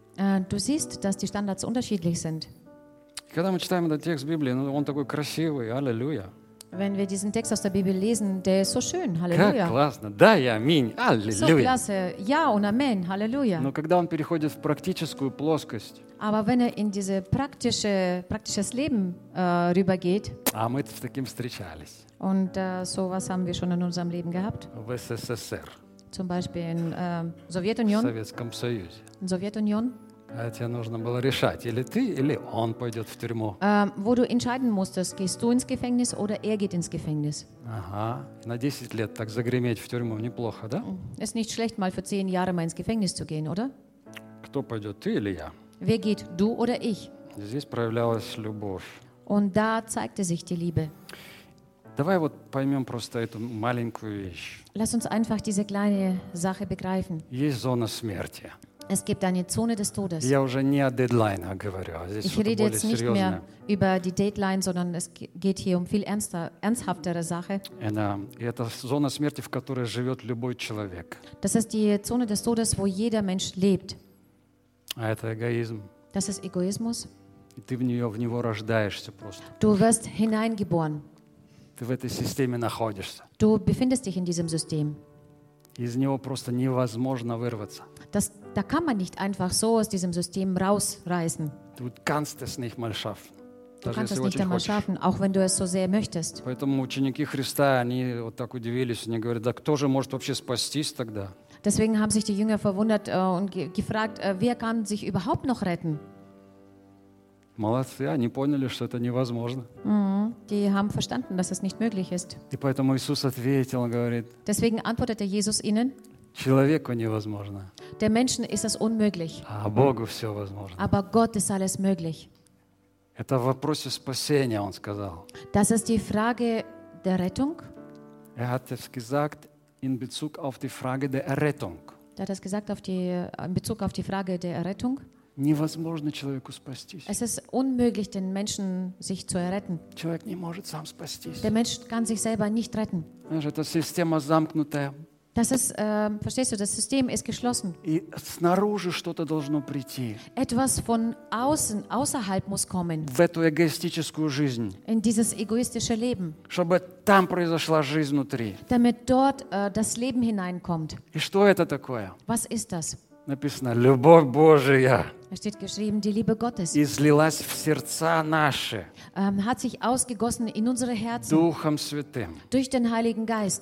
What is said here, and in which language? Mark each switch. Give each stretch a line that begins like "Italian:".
German: Du siehst, dass die Standards unterschiedlich sind.
Russian: Когда мы читаем этот текст Библии, ну, он такой красивый, аллилуйя.
German: Wenn wir diesen Text aus der Bibel lesen, der ist so schön, Halleluja.
Russian: Как классно, да и аминь, аллилуйя.
German: So klasse, ja und amen, Halleluja.
Russian: Но когда он переходит в практическую плоскость,
German: aber wenn in diese praktisches Leben rübergeht,
Russian: а мы с таким встречались.
German: Und sowas haben wir schon in unserem Leben gehabt.
Russian: В СССР.
German: Zum Beispiel in Sowjetunion.
Russian: В Советском Союзе.
German: In Sowjetunion.
Russian: А тебе нужно было решать, или ты, или он пойдет в тюрьму.
German: Wo du entscheiden musstest, gehst du ins Gefängnis oder er geht ins Gefängnis.
Russian: Ага, на 10 лет так загреметь в тюрьму, неплохо, да?
German: Ist nicht schlecht, mal für 10 Jahre mal ins Gefängnis zu gehen, oder?
Russian: Кто пойдет, ты или я?
German: Wer geht, du oder ich?
Russian: Здесь проявлялась любовь.
German: Und da zeigte sich die Liebe.
Russian: Давай вот поймем просто эту маленькую вещь.
German: Lass uns einfach diese kleine Sache begreifen.
Russian: Есть зона смерти.
German: Es gibt eine Zone des Todes.
Russian: Я уже не о дедлайнах говорю, а здесь что-то более серьезное.
German: Ich rede jetzt nicht mehr über die Deadline, sondern es geht hier um viel ernsthaftere Sache.
Russian: И это зона смерти, в которой живет любой человек.
German: Das ist die Zone des Todes, wo jeder Mensch lebt.
Russian: А это эгоизм.
German: Das ist Egoismus.
Russian: И ты в него рождаешься просто.
German: Du wirst hineingeboren.
Russian: Ты в этой системе находишься.
German: Du befindest dich in diesem System.
Russian: Из него просто невозможно вырваться.
German: Da kann man nicht einfach so aus diesem System rausreißen. Du kannst es nicht mal schaffen. Du kannst es nicht einmal schaffen, auch wenn du es so sehr möchtest.
Russian: Поэтому ученики Христа, они вот так удивились, они говорят: "Да кто же может вообще спастись тогда?"
German: Deswegen haben sich die Jünger verwundert und gefragt, wer kann sich überhaupt noch retten?
Russian: Молодцы, они поняли, что это невозможно.
German: Die haben verstanden, dass es nicht möglich ist.
Russian: И поэтому Иисус ответил, говорит.
German: Deswegen antwortete Jesus ihnen.
Russian: Человеку невозможно.
German: Der Menschen ist es unmöglich.
Russian: А Богу все возможно.
German: Aber Gott ist alles möglich.
Russian: Это в вопросе спасения, он сказал.
German: Das ist die Frage der Rettung. Er hat es gesagt in Bezug auf die Frage der Errettung. Er hat es gesagt in Bezug auf die Frage der Errettung.
Russian: Невозможно человеку спастись.
German: Es ist unmöglich, den Menschen sich zu erretten.
Russian: Человек не может сам спастись.
German: Der Mensch kann sich selber nicht retten.
Russian: Знаешь, это система замкнутая.
German: Das ist, verstehst du, das System ist geschlossen.
Russian: И снаружи что-то должно прийти.
German: Etwas von außen, außerhalb muss kommen.
Russian: В эту эгоистическую жизнь.
German: In dieses egoistische Leben.
Russian: Чтобы там произошла жизнь внутри.
German: Damit dort das Leben hineinkommt.
Russian: И что это такое?
German: Was ist das?
Russian: Написано, любовь Божия.
German: Es steht geschrieben, die Liebe Gottes.
Russian: Излилась в сердца наши.
German: Hat sich ausgegossen in unsere Herzen.
Russian: Духом Святым.
German: Durch den Heiligen Geist.